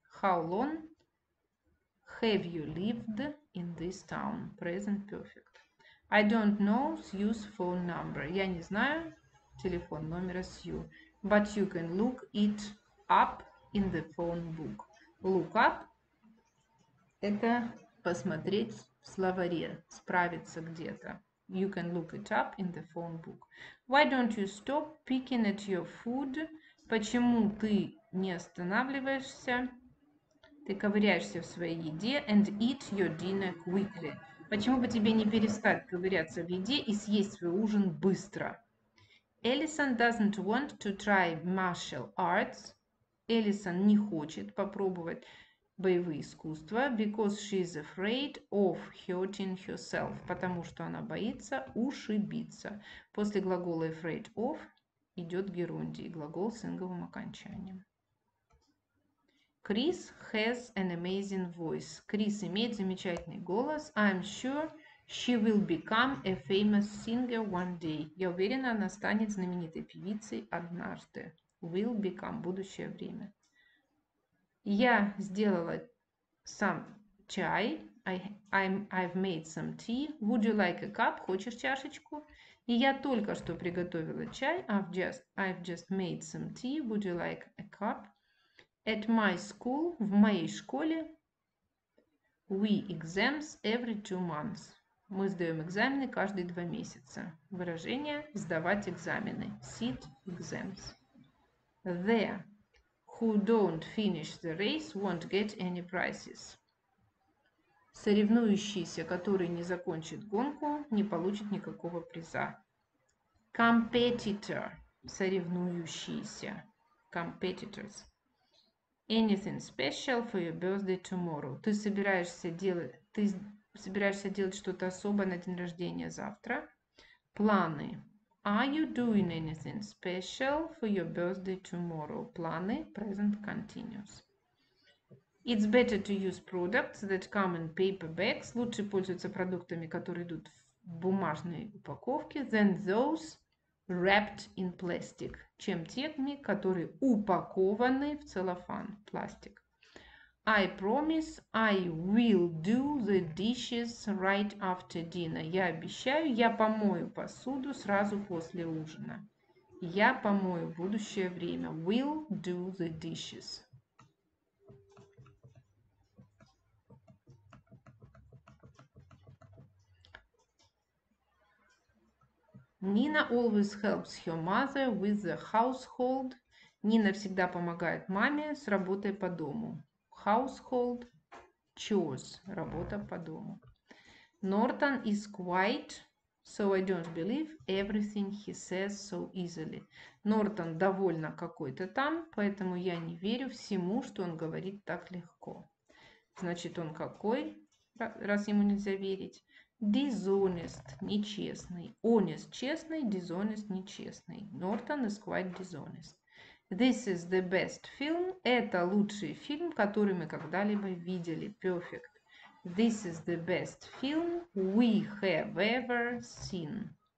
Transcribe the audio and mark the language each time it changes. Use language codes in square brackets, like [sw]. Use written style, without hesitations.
[en] How long have you lived in this town? Present perfect. I don't know Sue's phone number. [ru] Я не знаю телефон номера Sue. [en] But you can look it up in the phone book. [ru] Look up – это посмотреть в словаре, справиться где-то. [en] You can look it up in the phone book. Why don't you stop picking at your food? [ru] Почему ты не останавливаешься? Ты ковыряешься в своей еде [en] and eat your dinner quickly. [ru] Почему бы тебе не перестать ковыряться в еде и съесть свой ужин быстро? [en] Allison doesn't want to try martial arts. Allison [ru] не хочет попробовать боевые искусства [en] because she is afraid of hurting herself. [ru] Потому что она боится ушибиться. После глагола afraid of идет герундий, глагол с синговым окончанием. [en] Chris has an amazing voice. [ru] Крис имеет замечательный голос. [en] I'm sure she will become a famous singer one day. [ru] Я уверена, она станет знаменитой певицей однажды. [en] Will become [ru] – будущее время. Я сделала сам чай. [en] I've made some tea. Would you like a cup? [ru] Хочешь чашечку? И я только что приготовила чай. [en] I've just made some tea. Would you like a cup? At my school, [ru] в моей школе, [en] we exams every 2 months. [ru] Мы сдаем экзамены каждые 2 месяца. Выражение «сдавать экзамены». [en] Sit exams. There, who don't finish the race, won't get any prizes. [ru] Соревнующийся, который не закончит гонку, не получит никакого приза. [en] Competitor, соревнующийся. Competitors. Anything special for your birthday tomorrow? [ru] Ты собираешься делать что-то особое на день рождения завтра? Планы. [en] Are you doing anything special for your birthday tomorrow? Планы, present continuous. It's better to use products that come in paper bags. [ru] Лучше пользоваться продуктами, которые идут в бумажной упаковке, [en] than those wrapped in plastic, [ru] чем теми, которые упакованы в целлофан, пластик. [en] I promise I will do the dishes right after dinner. [ru] Я обещаю, я помою посуду сразу после ужина. Я помою в будущее время. [en] Will do the dishes. Nina always helps her mother with the household. Nina [ru] всегда помогает маме с работой по дому. [en] Household, Chores, [ru] работа по дому. [en] Norton is quiet, so I don't believe everything he says so easily. [ru] Norton довольно какой-то там, поэтому я не верю всему, что он говорит так легко. Значит, он какой, раз ему нельзя верить? [en] Dishonest, нечестный. Honest, честный. Dishonest, нечестный. Norton is quite dishonest. This is the best film. [ru] Это лучший фильм, который мы когда-либо видели. [en] Perfect. This is the best film we have ever seen.